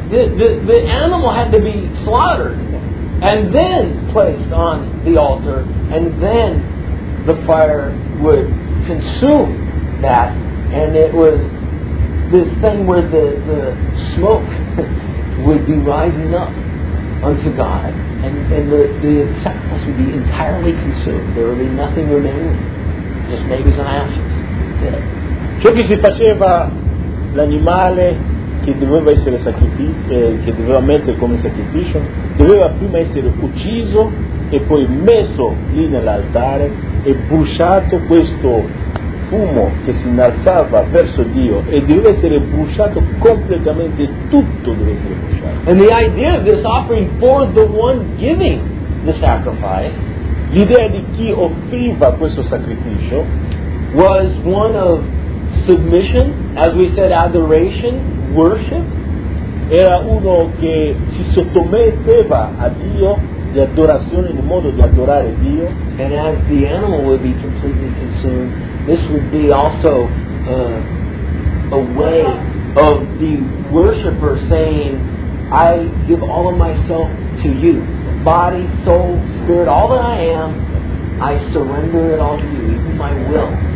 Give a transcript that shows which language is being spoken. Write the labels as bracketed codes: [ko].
[en] The animal had to be slaughtered and then placed on the altar, and then the fire would consume that, and it was this thing where the smoke would be rising up unto God, and the sacrifice would be entirely consumed. There would be nothing remaining, just maybe some ashes. [it] Ciò che si faceva l'animale che doveva essere sacrificato, che doveva mettere come sacrificio, doveva prima essere ucciso e poi messo lì nell'altare e bruciato, questo fumo che si innalzava verso Dio, e doveva essere bruciato completamente, tutto doveva essere bruciato. [en] And the idea of this offering for the one giving the sacrifice, [it] l'idea di chi offriva questo sacrificio, [en] was one of submission, as we said, adoration, worship. [it] Era uno che si sottometteva a Dio, di adorazione, in modo di adorare Dio. [en] And as the animal would be completely consumed, this would be also a way of the worshiper saying, I give all of myself to you, body, soul, spirit, all that I am, I surrender it all to you, even my will.